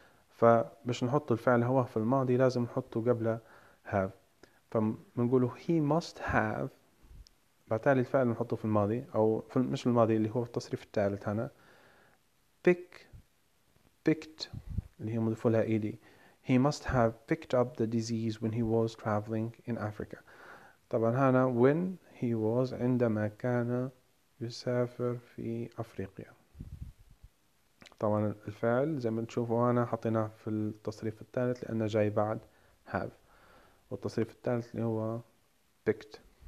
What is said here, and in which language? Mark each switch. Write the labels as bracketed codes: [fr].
[ar] فبش نحط الفعل هو في الماضي لازم نحطه قبل have، فمنقوله [en] he must have، [ar] بالتالي الفعل نحطه في الماضي أو في مش الماضي اللي هو التصريف الثالث هنا picked اللي هي مضيفة لها ed. [en] he must have picked up the disease when he was traveling in Africa. [ar] طبعا هنا [en] when he was [ar] عندما كان يسافر في أفريقيا. طبعا الفعل زي ما تشوفوا هنا حطيناه في التصريف الثالث لأنه جاي بعد have، والتصريف الثالث اللي هو picked.